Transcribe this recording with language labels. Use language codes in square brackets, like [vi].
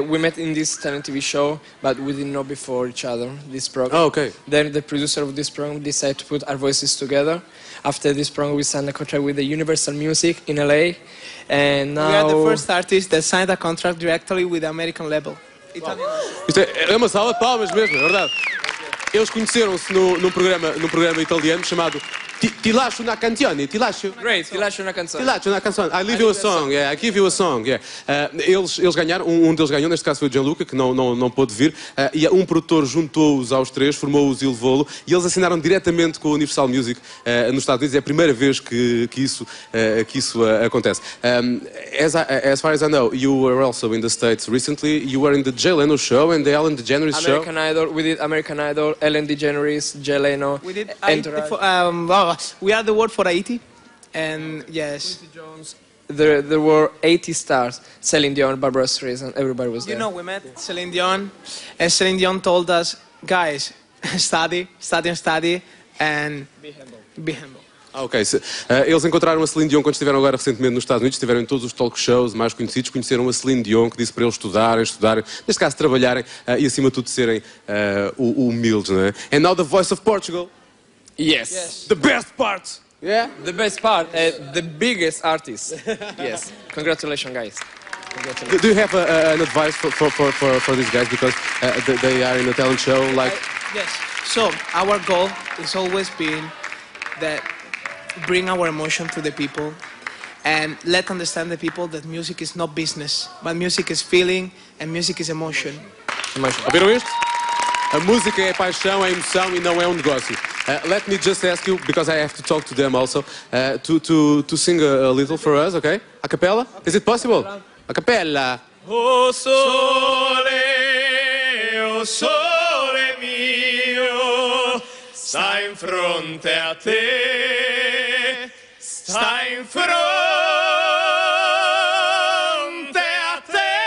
[en] We met in this talent TV show, but we didn't know before each other this program. Oh, okay. Then the producer of this program decided to put our voices together. After this program, we signed a contract with the Universal Music in LA. And now we are the first artist that signed a contract directly with the American label. Wow. [pt] Isto é uma salva de palmas mesmo, é verdade. Eles conheceram-se num programa italiano chamado Ti Lascio Una Canzone. [it] Ti Lascio. [en] Great, Ti Lascio Una Canzone. Ti Lascio Una Canzone. I give you a song. Yeah. [pt] Eles ganharam, um deles ganhou, neste caso foi o Gianluca, que não pôde vir. E um produtor juntou-os aos três, formou-os Il Volo, e eles assinaram diretamente com a Universal Music nos Estados Unidos. É a primeira vez que isso acontece. [en] As far as I know, you were also in the States recently. You were in the Jay Leno show and the Ellen DeGeneres American show. American Idol. We did American Idol, Ellen DeGeneres, Jay Leno. We did Entourage. We are the world for Haiti, and yes, there were 80 stars, Celine Dion, Barbara Streisand, everybody was there. You know, we met Celine Dion, and Celine Dion told us, guys, study, and be humble. [pt] Ok, eles encontraram a Celine Dion quando estiveram agora recentemente nos Estados Unidos, estiveram em todos os talk shows mais conhecidos, conheceram a Celine Dion, que disse para eles estudarem, neste caso trabalharem, e acima de tudo serem humildes, não é? [en] And now the voice of Portugal. Yes. The best part. Yeah? The best part. The biggest artist. Yes. Congratulations, guys. Congratulations. Do you have an advice for these guys? Because they are in a talent show. Yes. So our goal has always been that bring our emotion to the people and let understand the people that music is not business, but music is feeling and music is emotion. Emotion. [pt] A música é paixão, é emoção e não é negócio. [en] Let me just ask you, because I have to talk to them also, to sing a little for us, okay? A cappella? Is it possible? A cappella. [it] O sole mio, sta in fronte a te, sta in fronte a te.